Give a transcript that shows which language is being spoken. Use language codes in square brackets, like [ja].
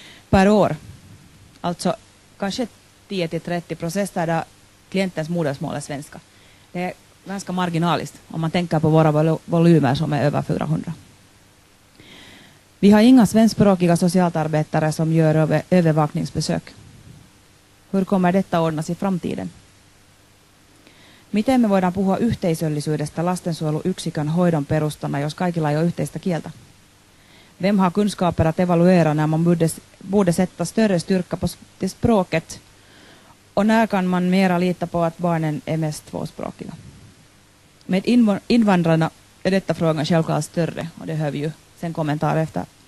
[sv] Per år. Alltså kanske 10-30 processer där klientens modersmål är svenska. Det är ganska marginaliskt om man tänker på våra volymer som är över 400. Vi har inga svenskspråkiga socialarbetare som gör övervakningsbesök. Hur kommer detta ordnas i framtiden? [fi] Miten me voidaan puhua yhteisöllisyydestä lastensuojeluyksikön hoidon perustana, jos kaikilla ei ole yhteistä kieltä? [sv] Vem har kunskaper att evaluera när man borde sätta större styrka på språket Och när kan man mera lita på att barnen är mest tvåspråkiga? Med invandrarna är detta frågan självklart större, och det hör vi ju sen kommentar efter.